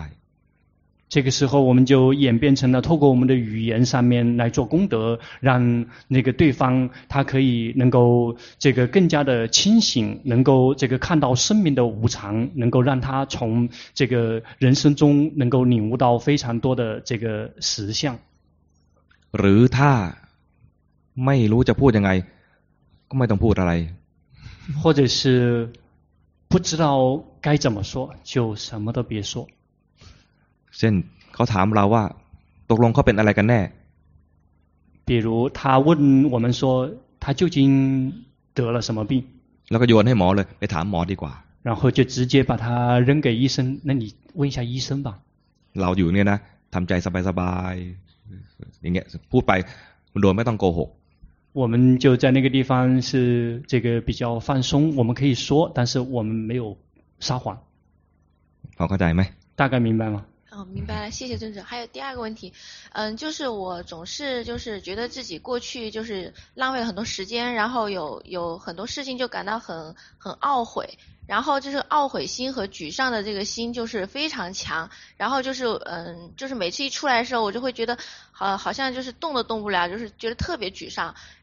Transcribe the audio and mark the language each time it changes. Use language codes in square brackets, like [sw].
[zh] 这个时候我们就演变成了透过我们的语言上面来做功德，让那个对方他可以能够这个更加的清醒，能够这个看到生命的无常，能够让他从这个人生中能够领悟到非常多的这个实相。 [th] หรือถ้าไม่รู้จะพูดยังไงก็ไม่ต้องพูดอะไร [zh] 或者是不知道该怎么说，就什么都别说。 [th] เช่นเขาถามเราว่าตกลงเขาเป็นอะไรกันแน่ [zh] 比如他问我们说他究竟得了什么病 [th] แล้วก็โยนให้หมอเลยไปถามหมอดีกว่า [zh] 然后就直接把他扔给医生那你问一下医生吧 [th] เราอยู่เนี่ยนะทำใจสบายๆอย่างเงี้ยพูดไปโดยไม่ต้องโกหก [zh] 我们就在那个地方是这个比较放松，我们可以说，但是我们没有撒谎。好，可以吗？大概明白吗？哦，明白了，谢谢尊者。还有第二个问题，就是我总是就是觉得自己过去就是浪费了很多时间，然后有很多事情就感到很懊悔，然后就是懊悔心和沮丧的这个心就是非常强，然后就是就是每次一出来的时候，我就会觉得好像就是动都动不了，就是觉得特别沮丧。